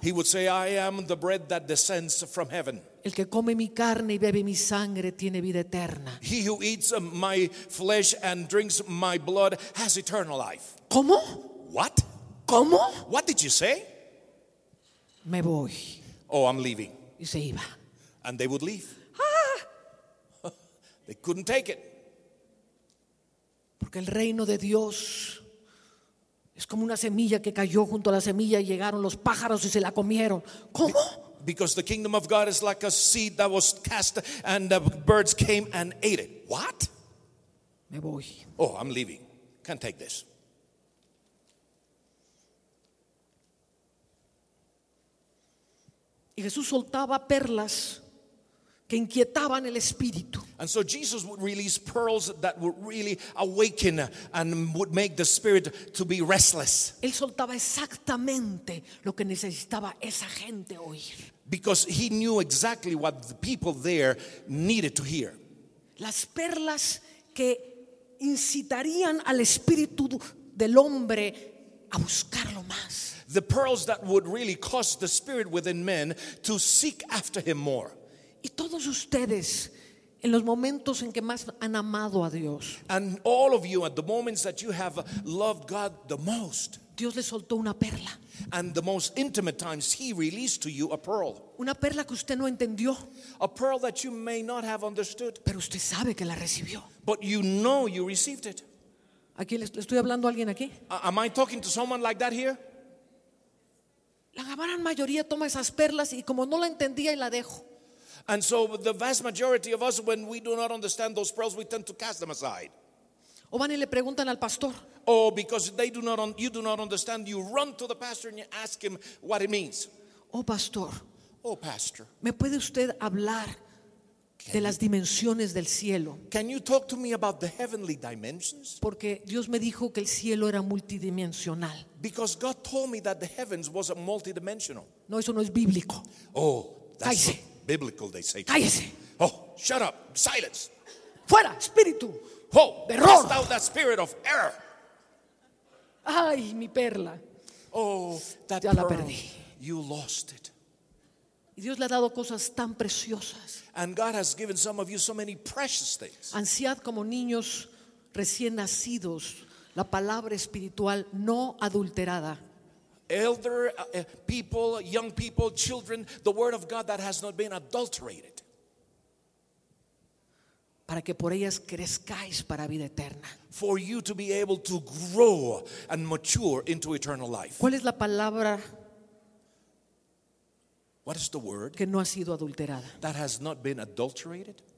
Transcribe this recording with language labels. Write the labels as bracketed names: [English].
[English] He would say, I am the bread that descends from heaven. [Spanish] El que come mi carne y bebe mi sangre tiene vida eterna. [English] He who eats my flesh and drinks my blood has eternal life. [Spanish] ¿Cómo? [English] What? [Spanish] ¿Cómo? [English] What did you say? [Spanish] Me voy. [English] Oh, I'm leaving. [Spanish] Y se iba. [English] And they would leave. Ah. They couldn't take it. [Spanish] Porque el reino de Dios es como una semilla que cayó junto a la semilla y llegaron los pájaros y se la comieron. ¿Cómo? [English] Because the kingdom of God is like a seed that was cast and the birds came and ate it. What? [Spanish] Me voy. [English] Oh, I'm leaving. Can't take this. [Spanish] Y Jesús soltaba perlas que inquietaban el espíritu. [English] And so Jesus would release pearls that would really awaken and would make the spirit to be restless. [Spanish] Él soltaba exactamente lo que necesitaba esa gente oír. [English] Because he knew exactly what the people there needed to hear. [Spanish] Las perlas que incitarían al espíritu del hombre a buscarlo más. [English] The pearls that would really cause the spirit within men to seek after him more. [Spanish] Y todos ustedes, en los momentos en que más han amado a Dios. [English] And all of you, at the moments that you have loved God the most. [Spanish] Dios le soltó una perla. [English] And the most intimate times, he released to you a pearl. [Spanish] Una perla que usted no entendió. [English] A pearl that you may not have understood. [Spanish] Pero usted sabe que la recibió. [English] But you know you received it. [Spanish] ¿Aquí le estoy hablando a alguien aquí? [English] Am I talking to someone like that here? [Spanish] La gran mayoría toma esas perlas y como no la entendía y la dejo. [English] And so the vast majority of us, when we do not understand those pearls, we tend to cast them aside. [Spanish] O van y le preguntan al pastor. [English] Oh, because you do not understand, you run to the pastor and you ask him what it means. Oh, pastor. Oh, pastor. [Spanish] ¿Me puede usted hablar de las dimensiones del cielo? [English] Can you talk to me about the heavenly dimensions? [Spanish] Porque Dios me dijo que el cielo era multidimensional. [English] Because God told me that the heavens was a multidimensional. [Spanish] No, eso no es bíblico. [English] Oh, that's biblical, they say. [Spanish] Cállese. [English] Oh, shut up. Silence. [Spanish] Fuera, espíritu. [English] Oh, [Spanish] de error. [English] Cast out that spirit of error. [Spanish] Ay, mi perla. [English] Oh, that [Spanish] ya [English] pearl. [Spanish] La perdí. [English] You lost it. [Spanish] Y Dios le ha dado cosas tan preciosas. [English] And God has given some of you so many precious things. [Spanish] Ansiad como niños recién nacidos la palabra espiritual no adulterada. [English] Elder people, young people, children, the word of God that has not been adulterated. [Spanish] Para que por ellas crezcáis para vida eterna. [English] For you to be able to grow and mature into eternal life. [Spanish] ¿Cuál es la palabra? [English] What is the word? [Spanish] Que no ha sido adulterada. [English] That has not been adulterated.